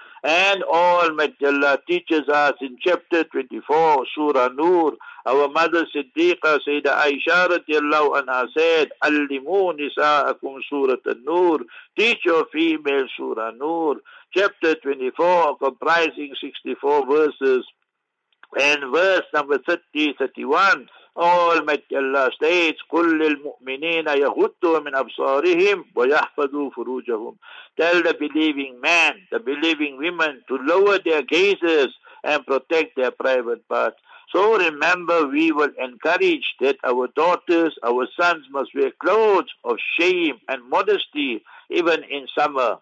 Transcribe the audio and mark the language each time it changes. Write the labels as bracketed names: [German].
[English] And Almighty Allah teaches us in chapter 24, Surah Nur, our mother Siddiqa, Sayyida Aisha radiallahu anha said, [Arabic] Allimu nisa'akum Surah An-Nur, [English] teach your female Surah Nur. Chapter 24, comprising 64 verses. And verse number 30-31, Almighty Allah states, [Arabic] قُلْ لِلْمُؤْمِنِينَ يَغُدُّوا مِنْ أَبْصَارِهِمْ وَيَحْفَدُوا فُرُوجَهُمْ. [English] Tell the believing man, the believing women, to lower their gazes and protect their private parts. So remember, we will encourage that our daughters, our sons must wear clothes of shame and modesty, even in summer.